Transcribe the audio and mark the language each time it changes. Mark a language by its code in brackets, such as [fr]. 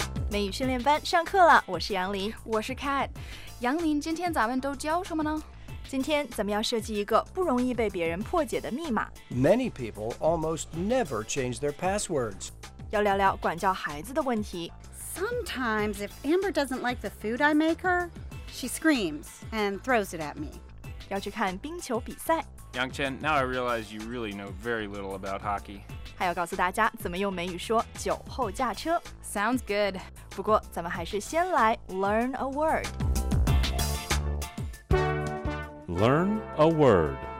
[zh] 美语训练班上课了，我是杨林，我是 Kat。杨林，今天咱们都教什么呢？今天咱们要设计一个不容易被别人破解的密码。 [en] Many people almost never change their passwords. [zh] 要聊聊管教孩子的问题。 [en] Sometimes if Amber doesn't like the food I make her, she screams and throws it at me. [zh] 要去看冰球比赛。 [en] Yang Chen, now I realize you really know very little about hockey. [zh] 还要告诉大家怎么用美语说酒后驾车。 [en] Sounds good. [zh] 不过咱们还是先来 [en] learn a word. Learn a word.